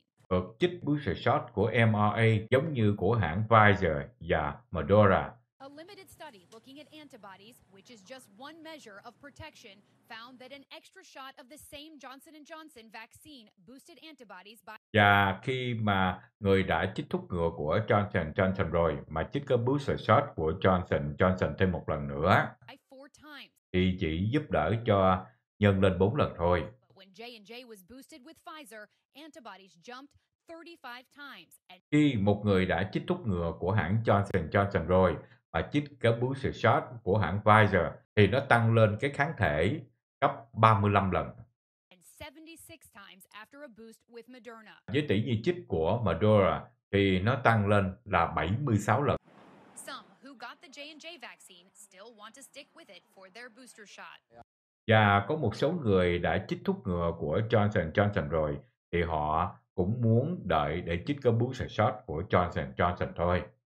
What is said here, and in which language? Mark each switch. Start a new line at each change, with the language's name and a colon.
Vietnamese: Được chích booster shot của mRNA giống như của hãng Pfizer và Moderna.
English: A limited study looking at antibodies, which is just one measure of protection, found that an extra shot of the same Johnson & Johnson vaccine boosted antibodies by.
Vietnamese: Và khi mà người đã chích thuốc ngừa của Johnson & Johnson rồi mà chích cái booster shot của Johnson & Johnson thêm một lần nữa, thì chỉ giúp đỡ cho nhân lên 4 lần thôi.
English: J&J was boosted with Pfizer, antibodies jumped 35 times.
Vietnamese: Khi một người đã chích thuốc ngừa của hãng Johnson & Johnson rồi và chích cái booster shot của hãng Pfizer thì nó tăng lên cái kháng thể gấp 35 lần.
English: And 76 times after a boost with Moderna.
Vietnamese: Với tỷ lệ chích của Moderna thì nó tăng lên là 76 lần.
English: Some who got the J&J vaccine still want to stick with it for their booster shot.
Vietnamese: Và có một số người đã chích thuốc ngừa của Johnson & Johnson rồi thì họ cũng muốn đợi để chích cái booster shot của Johnson & Johnson thôi.